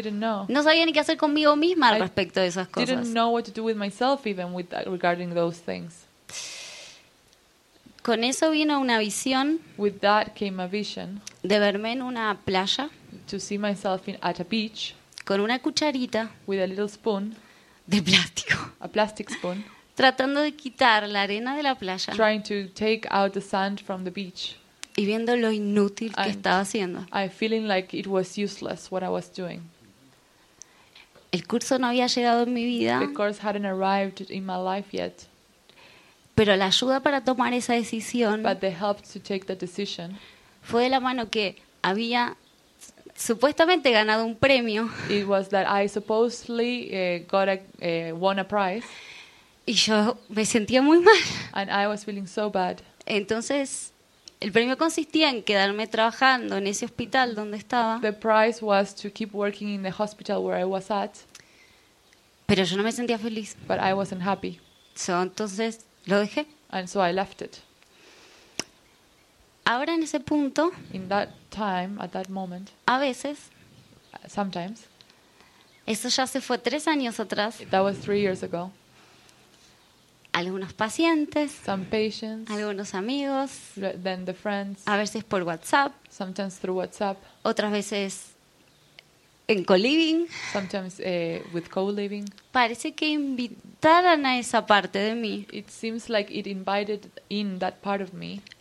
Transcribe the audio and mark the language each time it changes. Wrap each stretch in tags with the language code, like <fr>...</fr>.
<es>no sabía ni qué hacer conmigo misma al respecto de esas cosas.</es> <en>I didn't know what to do with myself even with that, regarding those things.</en> <es>Con eso vino una visión.</es> <en>With that came a vision.</en> <es>De verme en una playa.</es> <en>To see myself at a beach.</en> <es>Con una cucharita.</es> <en>With a little spoon.</en> <es>De plástico.</es> <en>A plastic spoon.</en> <es>Tratando de quitar la arena de la playa.</es> <en>Trying to take out the sand from the beach.</en> <es>Y viendo lo inútil que estaba haciendo.</es> <en>I feeling like it was useless what I was doing.</en> <es>El curso no había llegado en mi vida.</es> <en>The course hadn't arrived in my life yet.</en> <es>Pero la ayuda para tomar esa decisión.</es> <en>But the help to take the decision.</en> <es>Fue de la mano que había supuestamente ganado un premio.</es> <en>It was that I supposedly won a prize.</en> <es>Y yo me sentía muy mal.</es> <en>And I was feeling so bad.</en> <es>Entonces el premio consistía en quedarme trabajando en ese hospital donde estaba.</es> <en>The prize was to keep working in the hospital where I was at.</en> <es>Pero yo no me sentía feliz.</es> <en>But I wasn't happy.</en> <es>So entonces lo dejé.</es> <en>And so I left it.</en> <es>Ahora en ese punto,</es> <en>in that time, at that moment,</en> <es>a veces,</es> <en>sometimes,</en> <es>eso ya se fue 3 años atrás.</es> <en>That was 3 years ago.</en> <es>Algunos pacientes,</es> <en>some patients,</en> <es>algunos amigos,</es> <en>then the friends,</en> <es>a veces por WhatsApp,</es> <en>sometimes through WhatsApp,</en> <es>otras veces en co-living,</es> <en>sometimes with co-living.</en> <es>Parece que invitaran a esa parte de mí.</es> <en>It seems like it invited in that part of me.</en>